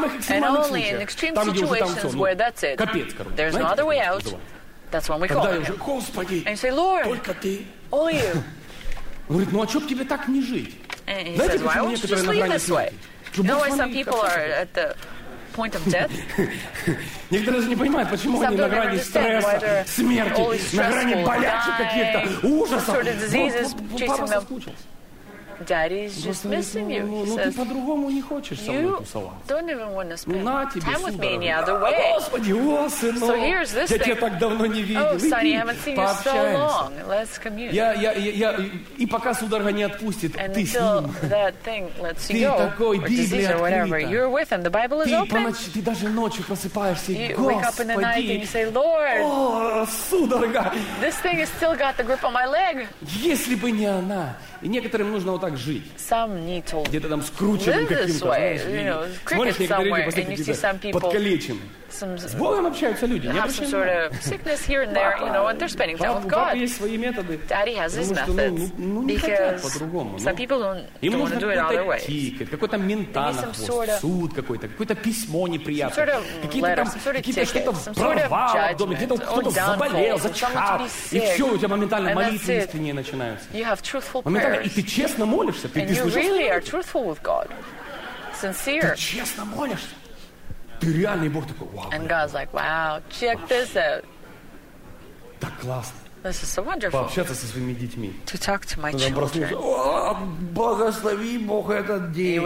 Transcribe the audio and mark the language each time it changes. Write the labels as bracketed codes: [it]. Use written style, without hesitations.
[en] And only in extreme situations where that's it. There's no other way out. That's when we call him. And you say, Lord, only you. And he says, why won't you just leave this way? You know why some people are at the point of death? [ru] Некоторые даже не понимают, почему они на грани стресса, смерти, на грани болячек каких-то, ужасов. Вот папа соскучился. Ну ты по-другому не хочешь со мной тусоваться. Ну на тебе, сударь. Господи, о, сынок, я тебя так давно не видел. Иди, пообщаемся. Я, и пока судорога не отпустит, ты с ним. Ты такой, Библия открыта. [en] The Bible is open. [ru] Ты даже ночью просыпаешься, и Господи, о, судорога. [en] This thing has still got the grip on my leg. [ru] Если бы не она. И некоторым нужно вот так жить. [en] Some need to [ru] где-то там скрученным каким-то, знаешь, [en] you know, [ru] смотришь, некоторые люди, посмотрите, подкалечены. С Богом общаются люди, не общаются. [en] Have some sort of sickness here and there, you know, and they're spending time with God. [ru] Есть свои методы. [en] Daddy has his methods. [ru] Им нужно какой-то тикет, какой-то ментал на хвост, суд какой-то, какое-то письмо неприятное. Какие-то там, какие-то что-то провалы в доме, где-то кто-то заболел, зачахал. И все, у тебя моментально молитвы искренние начинаются. Моментально, и ты честно молишься, ты слышишь? [en] You really are truthful with God. Sincere. [ru] Ты честно молишься. Ты реальный Бог такой, вау. [en] And God's like, wow, check this out. [ru] Так классно. [en] This is so wonderful. [ru] Пообщаться со своими детьми. [en] To talk to my children. [ru] Проснулся, благослови Бог этот день.